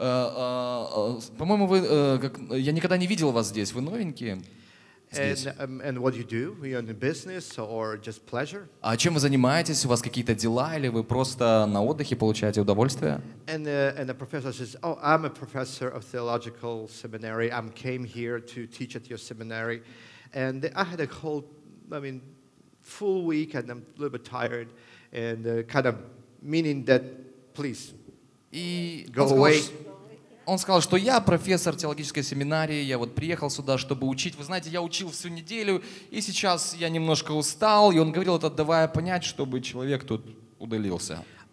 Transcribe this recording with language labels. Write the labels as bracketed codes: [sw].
[ru] По-моему, вы, как, я никогда не видел вас здесь. Вы новенькие здесь. А чем вы занимаетесь? У вас какие-то дела или вы просто на отдыхе получаете удовольствие? [en] And the professor says, "Oh, I'm a professor of theological seminary. I came here to teach at your seminary, and I had a whole, I mean, full week, and I'm a little bit tired, and kind of meaning that, please." [ru] И он сказал, что я профессор теологической семинарии, я вот приехал сюда, чтобы учить. Вы знаете, я учил всю неделю, и сейчас я немножко устал. И он говорил это, давая понять, чтобы человек тут удалился.